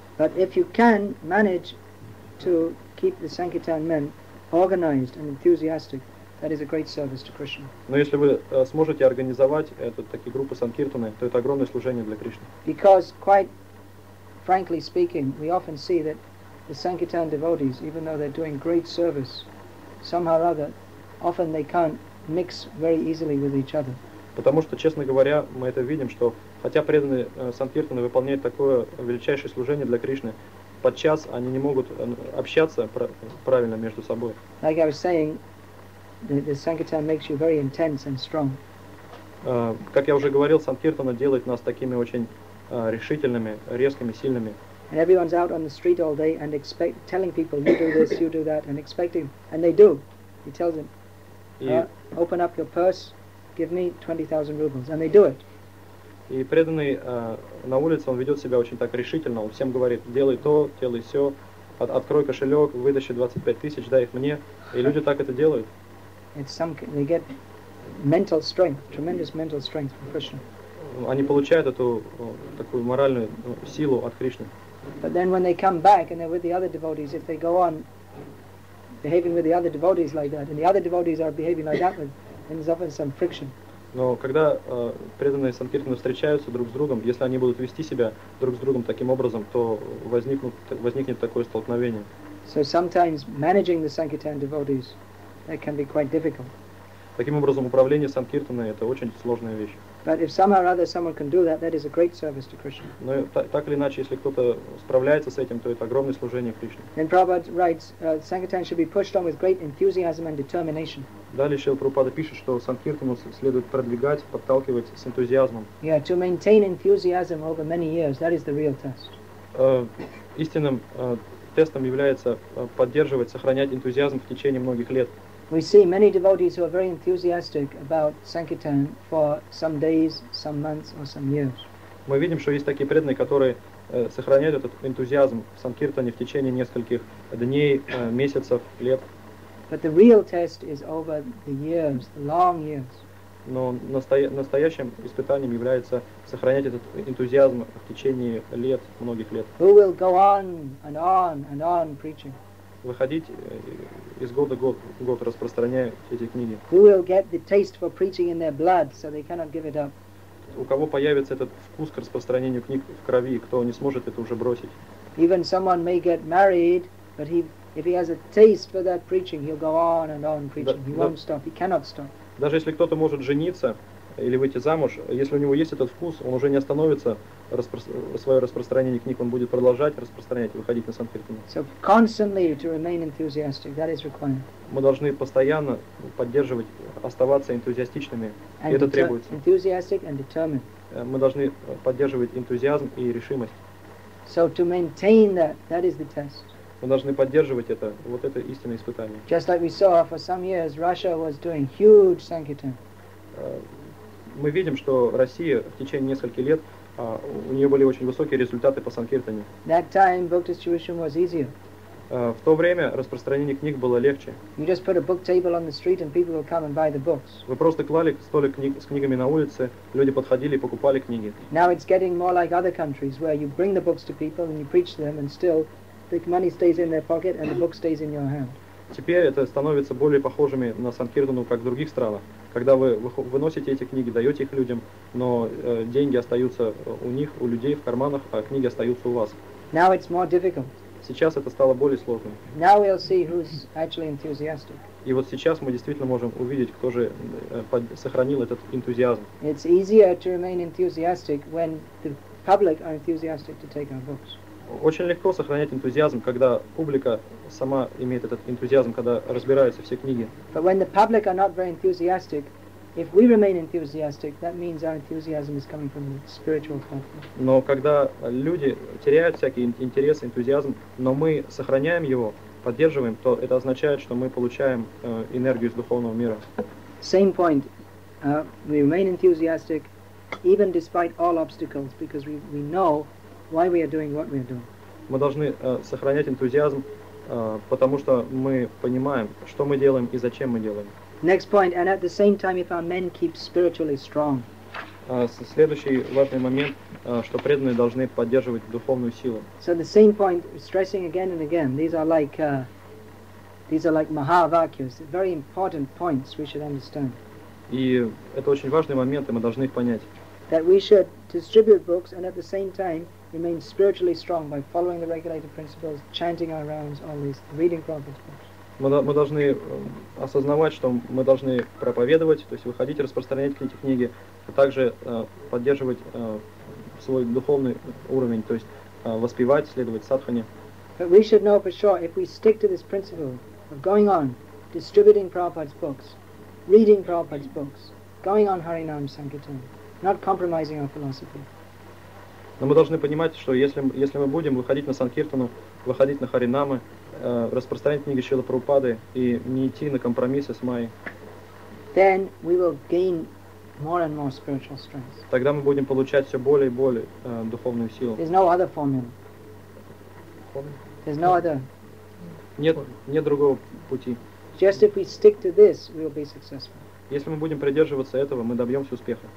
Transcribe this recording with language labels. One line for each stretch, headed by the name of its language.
English: But if you can manage to keep the Sankirtan men organized and enthusiastic, that is a great service to Krishna.
Russian: Но если вы сможете организовать такие группы Санкиртаны, то это огромное служение для Кришны.
English: Because quite frankly speaking, we often see that the Sankirtan devotees, even though they're doing great service, somehow or other, often they can't mix very easily with each other.
Russian: Потому что, честно говоря, мы это видим, что хотя преданные Санкиртаны выполняют такое величайшее служение для Кришны, подчас они не могут общаться правильно между собой.
English: Like I was saying, the Sankirtan makes you very intense and strong.
Russian: Как я уже говорил, Санкиртана делает нас такими очень решительными, резкими, сильными.
English: And everyone's out on the street all day and expect telling people, you do this, you do that, and expecting, and they do. He tells them, open up your purse, give me 20,000 rubles, and they do it.
Russian: И преданный на улице, он ведет себя очень так решительно, он всем говорит, делай то, делай все, открой кошелек, вытащи 25 тысяч, дай их мне. И люди так это делают.
English: They get mental strength, tremendous mental strength from Krishna.
Russian: Они получают эту такую моральную силу от Кришны.
English: But then when they come back and they're with the other devotees, if they go on behaving with the other devotees like that, and the other devotees are behaving like that, then there's often some friction.
Russian: Но когда преданные санкиртаны встречаются друг с другом, если они будут вести себя друг с другом таким образом, то возникнет такое столкновение.
English: So sometimes managing the sankirtan devotees, that can be quite difficult.
Russian: Таким образом, управление санкиртаной — это очень сложная вещь.
English: But if somehow or other someone can do that, that is a great service to Krishna.
Russian: Но так или иначе, если кто-то справляется с этим, то это огромное служение Кришне.
English: Then Prabhupada writes, sankirtan should be pushed on with great enthusiasm and determination.
Russian: Далее Шрила Прабхупада пишет, что санкиртану следует продвигать, подталкивать с энтузиазмом.
English: Yeah, to maintain enthusiasm over many years, that is the real test.
Russian: Истинным тестом является поддерживать, сохранять энтузиазм в течение многих лет.
English: We see many devotees who are very enthusiastic about sankirtan for some days, some months, or some years.
Russian: Мы видим, что есть такие преданные, которые сохраняют этот энтузиазм в санкиртане в течение нескольких дней, месяцев, лет.
English: But the real test is over the years, the long years.
Russian: Но настоящим испытанием является сохранять этот энтузиазм в течение лет, многих лет.
English: Who will go on and on and on preaching?
Russian: Выходить из года в год, распространяя эти книги.
English: Who will get the taste for preaching in their blood, so they cannot give it up?
Russian: У кого появится этот вкус к распространению книг в крови, кто не сможет это уже бросить?
English: Even someone may get married, but if he has a taste for that preaching, he'll go on and on preaching. He won't stop. He cannot stop.
Russian: Даже если кто-то может жениться или выйти замуж, если у него есть этот вкус, он уже не остановится свое распространение книг, он будет продолжать распространять, выходить на санкиртану.
English: So constantly to remain enthusiastic, that is required.
Russian: Мы должны постоянно поддерживать, оставаться энтузиастичными,
English: and
Russian: это требуется.
English: Enthusiastic and determined.
Russian: Мы должны поддерживать энтузиазм и решимость.
English: So to maintain that is the test.
Russian: Мы должны поддерживать это, вот это истинное испытание.
English: Just like we saw, for some years Russia was doing huge sankirtan.
Russian: Мы видим, что Россия в течение нескольких лет, у нее были очень высокие результаты по санкиртане.
English: That time book distribution was easier.
Russian: В то время распространение книг было легче.
English: You just put a book table on the street and people will come and buy the books.
Russian: Вы просто клали столик с книгами на улице, люди подходили и покупали книги.
English: Now it's getting more like other countries where you bring the books to people and you preach them and still the money stays in their pocket and the book stays in your hand.
Russian: Теперь это становится более похожими на санкиртану, как в других странах, когда вы выносите эти книги, даете их людям, но деньги остаются у них, у людей в карманах, а книги остаются у вас.
English: Now it's more difficult.
Russian: Сейчас это стало более сложным.
English: Now we'll see who's actually enthusiastic.
Russian: И вот сейчас мы действительно можем увидеть, кто же сохранил этот энтузиазм.
English: It's easier to remain enthusiastic when the public are enthusiastic to take our books.
Russian: Очень легко сохранять энтузиазм, когда публика сама имеет этот энтузиазм, когда разбираются все книги.
English: But when the public are not very enthusiastic, if we remain enthusiastic, that means our enthusiasm is coming from the spiritual platform.
Russian: Но когда люди теряют всякий интерес, энтузиазм, но мы сохраняем его, поддерживаем, то это означает, что мы получаем энергию из духовного мира.
English: Same point. We remain enthusiastic even despite all obstacles, because we know why we are doing what we are doing.
Russian: Мы должны сохранять энтузиазм, потому что мы понимаем, что мы делаем и зачем мы делаем.
English: Next point, and at the same time, if our men keep spiritually strong.
Russian: Следующий важный момент, что преданные должны поддерживать духовную силу.
English: So the same point, stressing again and again, these are like Mahavakyas, very important points we should understand.
Russian: И это очень важный момент, и мы должны их понять.
English: That we should distribute books and at the same time remain spiritually strong by following the regulated principles, chanting our rounds, all these, reading Prabhupada's books.
Russian: Мы должны осознавать, что мы должны проповедовать, то есть выходить, распространять эти книги, а также поддерживать свой духовный уровень, то есть воспевать, следовать садхане.
English: But we should know for sure, if we stick to this principle of going on, distributing Prabhupada's books, reading Prabhupada's books, going on Harinam Sankirtan, not compromising our philosophy.
Russian: Но мы должны понимать, что если мы будем выходить на Санкиртану, выходить на Харинамы, распространять книги Шрилы Прабхупады и не идти на компромиссы с Майей,
English: then we will gain more and more spiritual strength.
Russian: Тогда мы будем получать все более и более духовную силу.
English: There's no other formula. There's no other.
Russian: Нет другого пути.
English: Just if we stick to this, we will be successful.
Russian: Если мы будем придерживаться этого, мы добьемся успеха.